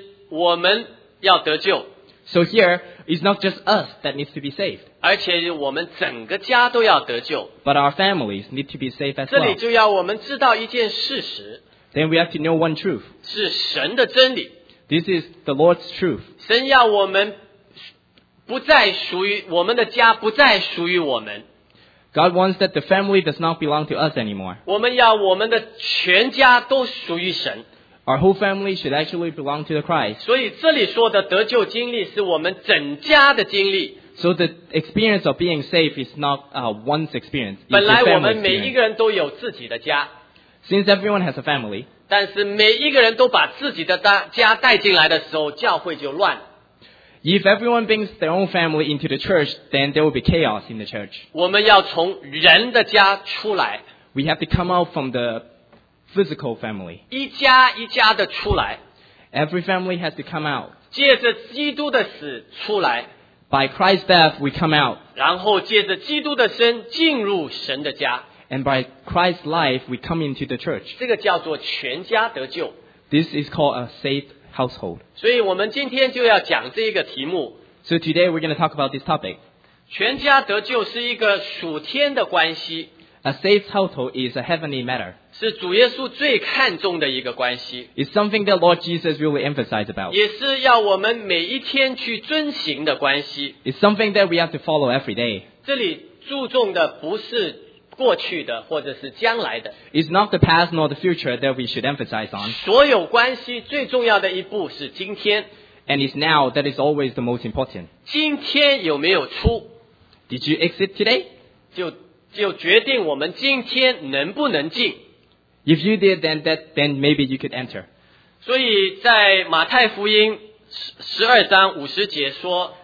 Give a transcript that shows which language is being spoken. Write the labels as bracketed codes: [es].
[zh] 所以在这里我们要看见不只是我们要得救。 [en] So here, it's not just us that needs to be saved. [zh] 而且我们整个家都要得救。 [en] But our families need to be saved as well. [zh] 这里就要我们知道一件事实。 [en] Then we have to know one truth. [zh] 是神的真理。 [en] This is the Lord's truth. [zh] 神要我们不再属于我们的家不再属于我们。 [en] God wants that the family does not belong to us anymore. [zh] 我们要我们的全家都属于神。 [en] Our whole family should actually belong to the Christ. [zh] 所以这里说的得救经历是我们整家的经历。 [en] So the experience of being safe is not one's experience. [zh] 本来我们每一个人都有自己的家, [en] since everyone has a family, [zh] 但是每一个人都把自己的家带进来的时候，教会就乱。 [en] If everyone brings their own family into the church, then there will be chaos in the church. [zh] 我们要从人的家出来。 [en] We have to come out from the physical family. [zh] 一家一家的出来。 [en] Every family has to come out. [zh] 借着基督的死出来。 [en] By Christ's death, we come out. [zh] 然后借着基督的身进入神的家。 [en] And by Christ's life, we come into the church. [zh] 这个叫做全家得救。 [en] This is called a safe household. [zh] 所以我们今天就要讲这个题目。 [en] So today we're going to talk about this topic. [zh] 全家得救是一个属天的关系。 [en] A safe household is a heavenly matter. [zh] 是主耶稣最看重的一个关系。 [en] It's something that Lord Jesus really emphasized about. [zh] 也是要我们每一天去遵行的关系。 [en] It's something that we have to follow every day. [zh] 这里注重的不是过去的或者是将来的。 [en] It's not the past nor the future that we should emphasize on. [zh] 所有关系最重要的一步是今天。 [en] And it's now that is always the most important. [zh] 今天有没有出? [en] Did you exit today? [zh] 就决定我们今天能不能进。 [en] If you did, then maybe you could enter. [zh] 所以在马太福音12章50节说,